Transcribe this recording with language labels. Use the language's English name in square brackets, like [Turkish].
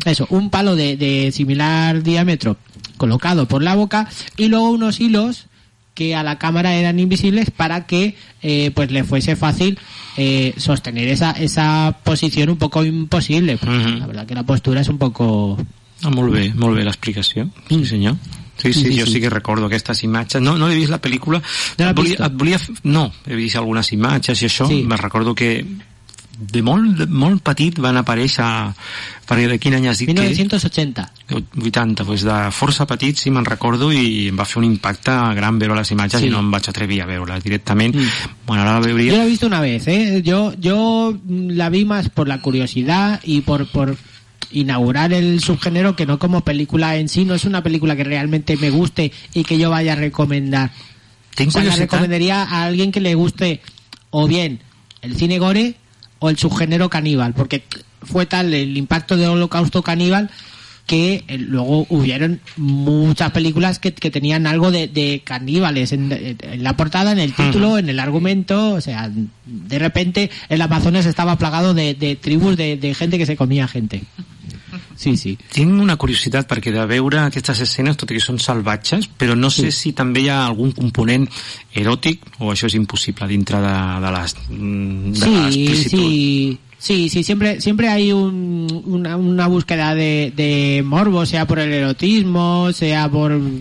[Spanish] Eso, un palo de similar diámetro colocado por la boca, y luego unos hilos que a la cámara eran invisibles para que pues le fuese fácil sostener esa posición un poco imposible. Pues, uh-huh. La verdad que la postura es un poco... [Catalan] Ah, molt bé la explicació, sí senyor. Sí, jo sí que recordo aquestes imatges. No he vist la pel·lícula. No l'ha vist? No, he vist algunes imatges i això. Sí. Me recordo que de molt petit van aparèixer... Perquè de quin any has dit 1980. Que... 1980. 80, doncs de força petit, sí, me'n recordo, i em va fer un impacte gran veure les imatges, sí. I no em vaig atrevir a veure-la directament. Mm. Bueno, ara la veuria... Jo l'he vist [Spanish] una vez, ¿eh? Jo la vi más por la curiosidad y por inaugurar el subgénero, que no como película en sí. No es una película que realmente me guste y que yo vaya a recomendar. [Catalan] ¿Tinc curiositat? [Spanish] O sea, la recomendaría a alguien que le guste o bien el cine gore o el subgénero caníbal, porque fue tal el impacto del Holocausto caníbal que luego hubieron muchas películas que tenían algo de caníbales en la portada, en el título, uh-huh, en el argumento. O sea, de repente el Amazonas estaba plagado de tribus de gente que se comía gente. Sí. [Catalan] Tinc una curiositat, perquè de veure aquestes escenes, tot i que són salvatges, però no sé si també hi ha algun component eròtic, o això és impossible dintre de l'explicitud. [Spanish] Sí, siempre hay una búsqueda de morbo, sea por el erotismo, sea por...